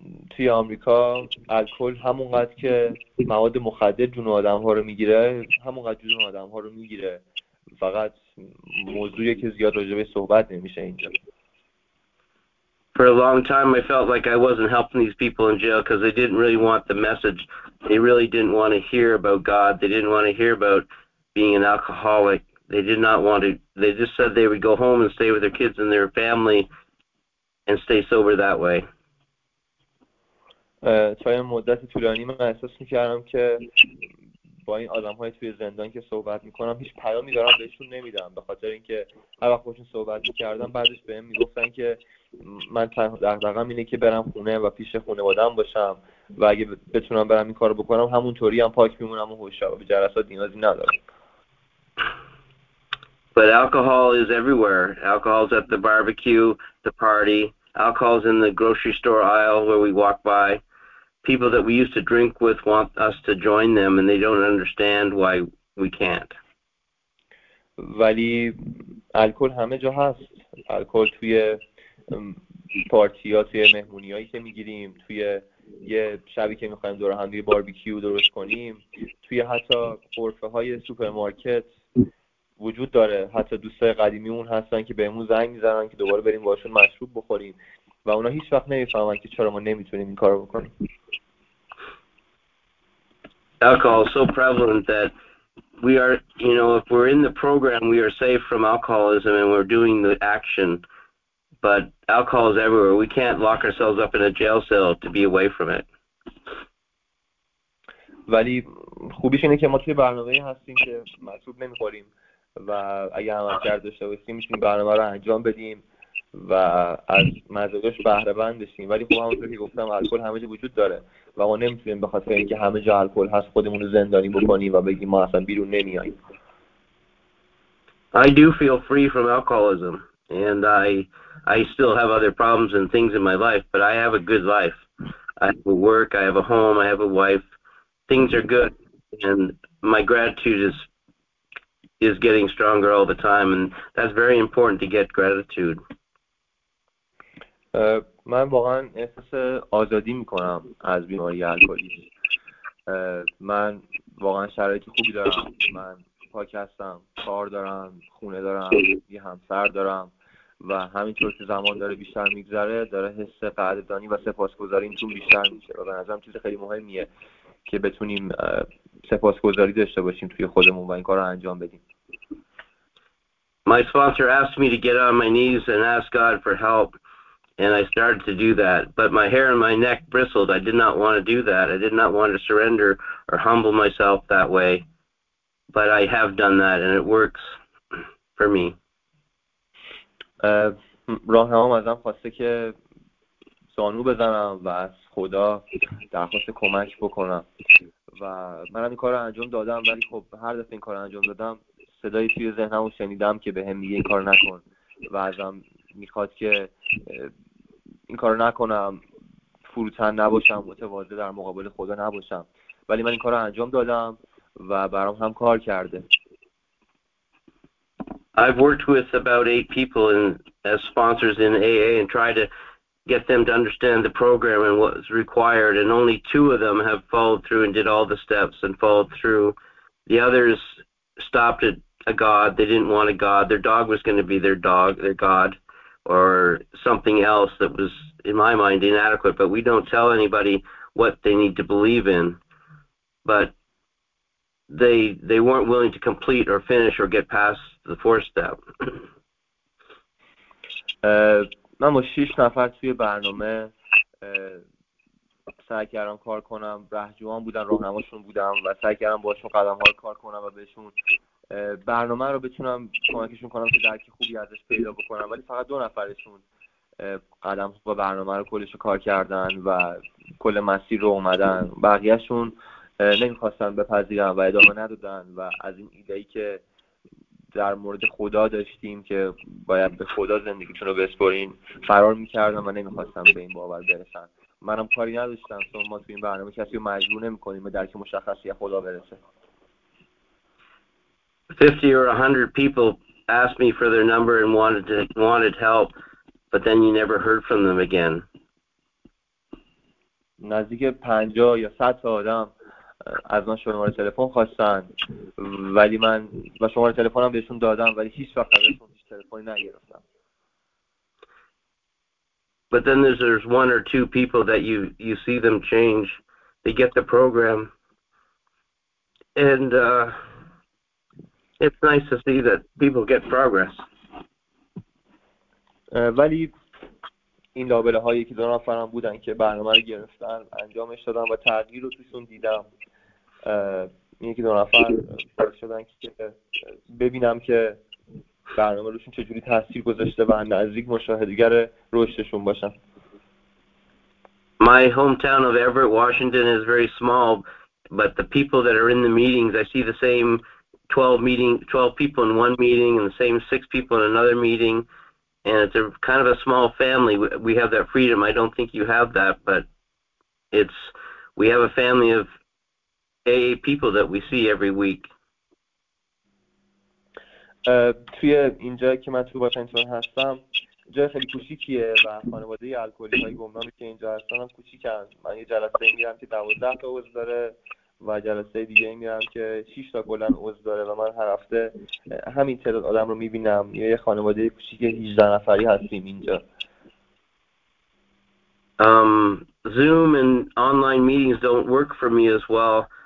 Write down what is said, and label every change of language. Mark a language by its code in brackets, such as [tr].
[fa] توی آمریکا الکل همونقدر که مواد مخدر جون آدم ها رو میگیره همونقدر جون آدم ها رو میگیره، فقط موضوعی که زیاد راجع به صحبت نمیشه اینجا. [en] For a long time I felt like I wasn't helping these people in jail because they didn't really want the message. They really didn't want to hear about God. They didn't want to hear about being an alcoholic. They did not want to. They just said they would go home and stay with their kids and their family and stay sober that way. [fa] توی مدت طولانی من احساس میکردم که با این آدم های توی زندان که صحبت میکنم هیچ پیامی دارم بهشون نمیدم، به خاطر اینکه هر وقت باشون صحبت میکردم بعدش به هم میگفتن که من تنها دغدغم اینه که برم خونه و پیش خانواده‌ام باشم و اگه بتونم برم این کار رو بکنم همونطوری هم پاک میمونم و هوشیار به جلسات نیازی ندارم. [en] But alcohol is everywhere. Alcohol's at the barbecue, the party. Alcohol's in the grocery store aisle where we walk by. People that we used to drink with want us to join them, and they don't understand why we can't. [fa] ولی الکل همه جا هست. الکل توی پارتی‌ها، توی مهمونی‌هایی که می‌گیریم، توی یه شبی که می‌خوایم دور هم یه باربیکیو درست کنیم، توی حتی غرفه‌های سوپرمارکت وجود داره. حتی دوستای قدیمیمون هستن که بهمون زنگ میزنن که دوباره بریم باهاشون مشروب بخوریم و اونا هیچ وقت نمیفهمن که چرا ما نمیتونیم این کارو بکنیم. [en] Alcohol is so prevalent that we are, you know, if we're in the program we are safe from alcoholism and we're doing the action, but alcohol is everywhere. We can't lock ourselves up in a jail cell to be away from it. [fa] ولی خوبیش اینه که ما توی برنامه‌ای هستیم که مشروب نمیخوریم و اگه عمل کرد داشته باشیم میتونیم برنامه رو انجام بدیم و از مزایاش بهره مند بشیم، ولی خب همونطور که گفتم الکل همه جا وجود داره و ما نمیتونیم به خاطر اینکه همه جا الکل هست خودمون رو زندانی بکنیم و بگیم ما اصلا بیرون نمیاییم. [en] I do feel free from alcoholism and I still have other problems and things in my life, but I have a good life. I have a work, I have a home, I have a wife. Things are good and my gratitude is getting stronger all the time and that's very important to get gratitude. [fa] من واقعا احساس آزادی میکنم از بیماری الکلی. من واقعا شرایط خوبی دارم. من پاک هستم، کار دارم، خونه دارم، یه همسر دارم و همینطور که زمان داره بیشتر میگذره داره حس قدردانی و سپاسگزاری تو بیشتر میشه و به نظرم چیز خیلی مهمیه که بتونیم سپاسگزاری داشته باشیم توی خودمون و این کار رو انجام بدیم. [en] My sponsor asked me to get on my knees and ask God for help, and I started to do that. But my hair and my neck bristled. I did not want to do that. I did not want to surrender or humble myself that way. But I have done that, and it works for me. [fa] راهنما ازم خواسته که زانو بزنم و از خدا درخواست کمک بکنم و منم این کار رو انجام دادم، ولی خب هر دفعه این کار رو انجام دادم صدایی توی ذهنم رو شنیدم که به هم میگه این کار نکن و ازم میخواد که این کار رو نکنم، فروتن نباشم، متواضع در مقابل خدا نباشم، ولی من این کار رو انجام دادم و برام هم کار کرده. [en] I've worked with about 8 people in, as sponsors in AA and tried to get them to understand the program and what is required, and only 2 of them have followed through and did all the steps and followed through. The others stopped at a God. They didn't want a God. Their dog was going to be their dog, their God, or something else that was, in my mind, inadequate. But we don't tell anybody what they need to believe in. But they weren't willing to complete or finish or get past the 4th step. [fa] من با 6 نفر توی برنامه سعی کردم کار کنم، رهجوان بودن، راهنماشون بودم و سعی کردم باشون قدم های کار کنم و بهشون برنامه رو بتونم کمکشون کنم که درک خوبی ازش پیدا بکنم، ولی فقط 2 نفرشون قدم و برنامه رو کلش رو کار کردن و کل مسیر رو اومدن، بقیهشون نمیخواستن بپذیرن و ادامه ندادن و از این ایدهی که در مورد خدا داشتیم که باید به خدا زندگیتون رو بسپرین فرار میکردم و نمیخواستم به این باور برسن. منم کاری نداشتم، چون ما توی این برنامه کسی رو مجبور نمیکنیم به درک مشخصی خدا برسه. [en] 50 or 100 people asked me for their number and wanted help, but then you never heard from them again. [fa] نزدیک 50 یا 100 تا آدم از من شماره تلفن خواستن، ولی من با شماره تلفنم بهشون دادم، ولی هیچ وقت ازشون هیچ تلفنی نگرفتم. [en] But then there's one or two people that you see them change. They get the program. And it's nice to see that people get progress. [fa] ولی این لابله‌هایی که دو نفرم بودن که برنامه رو گرفتن انجامش دادن و تغییر رو توشون دیدم، یکی دو نفر شدن که ببینم که برنامه روشون چجوری تاثیر گذاشته و نزدیک مشاهدگر رشدشون باشم. [en] My hometown of Everett, Washington is very small, but the people that are in the meetings, I see the same 12 people in one meeting and the same 6 people in another meeting. And it's a kind of a small family. We have that freedom. I don't think you have that, but we have a family of AA people that we see every week. [fa] توی اینجا که من تو واشنگتن هستم، جای خیلی کوچیکیه و خانواده الکلی‌های گمنامی که اینجا هستن هم کوچیکن. من یه جلسه میرم که 12 تا عضو داره و جلسه دیگه میرم که 6 تا کلاً عضو داره و من هر هفته همین تعداد آدم رو میبینم. یه خانواده کوچیک 18 نفری هستیم اینجا. [en] Zoom and online meetings don't work for me as well.